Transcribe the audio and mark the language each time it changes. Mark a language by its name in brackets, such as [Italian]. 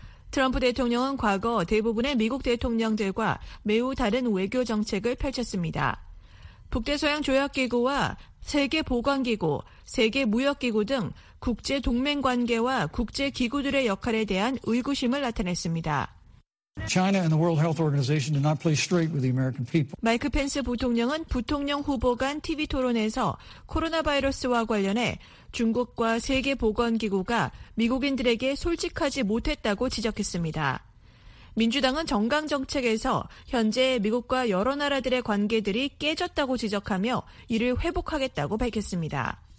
[Korean] 트럼프 대통령은 과거 대부분의 미국 대통령들과 매우 다른 외교 정책을 펼쳤습니다. 북대서양 조약기구와 세계보건기구, 세계무역기구 등 국제동맹관계와 국제기구들의 역할에 대한 의구심을 나타냈습니다. [English] China and the World Health Organization do not play straight with the American people. [Korean] 마이크 펜스 부통령은 부통령 후보 간 TV 토론에서 코로나 바이러스와 관련해 중국과 세계보건기구가 미국인들에게 솔직하지 못했다고 지적했습니다. 민주당은 정강 정책에서 현재 미국과 여러 나라들의 관계들이 깨졌다고 지적하며 이를 회복하겠다고 밝혔습니다.